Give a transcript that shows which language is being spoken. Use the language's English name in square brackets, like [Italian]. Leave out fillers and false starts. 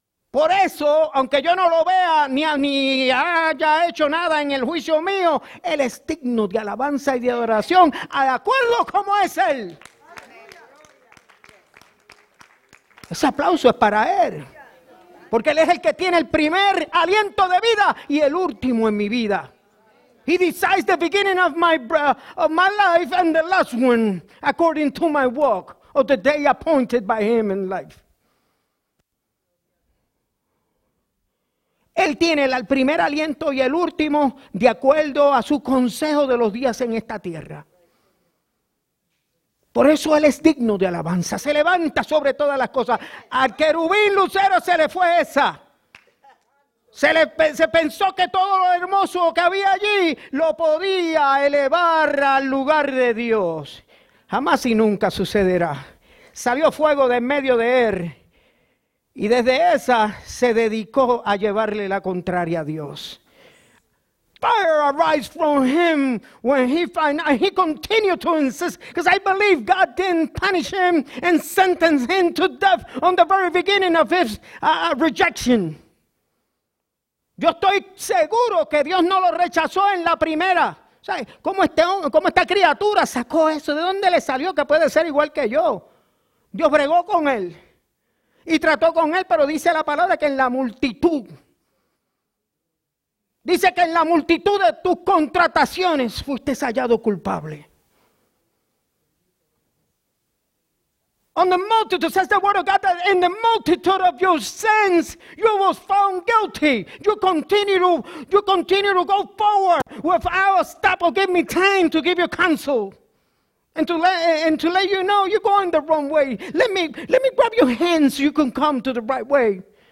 [Spanish] Por eso, aunque yo no lo vea ni haya hecho nada en el juicio mío, Él es digno de alabanza y de adoración, de acuerdo como es Él. Ese aplauso es para Él, porque Él es el que tiene el primer aliento de vida y el último en mi vida. [English] He decides the beginning of my life and the last one according to my walk of the day appointed by Him in life. [Spanish] Él tiene el primer aliento y el último de acuerdo a su consejo de los días en esta tierra. Por eso Él es digno de alabanza. Se levanta sobre todas las cosas. Al querubín Lucero se le fue esa. Se pensó que todo lo hermoso que había allí lo podía elevar al lugar de Dios. Jamás y nunca sucederá. Salió fuego de en medio de Él. Y desde esa se dedicó a llevarle la contraria a Dios. [English] Fire arise from him when he find out. He continued to insist. Because I believe God didn't punish him and sentence him to death on the very beginning of his rejection. [Spanish] Yo estoy seguro que Dios no lo rechazó en la primera. O sea, ¿cómo esta criatura sacó eso? ¿De dónde le salió que puede ser igual que yo? Dios bregó con él. Y trató con él, pero dice la palabra que en la multitud. Dice que en la multitud de tus contrataciones fuiste hallado culpable. [English] On the multitude, says the word of God, that in the multitude of your sins, you was found guilty. You continue to go forward without a stop or give me time to give you counsel. And to let you know you're going the wrong way. Let me grab your hands so you can come to the right way.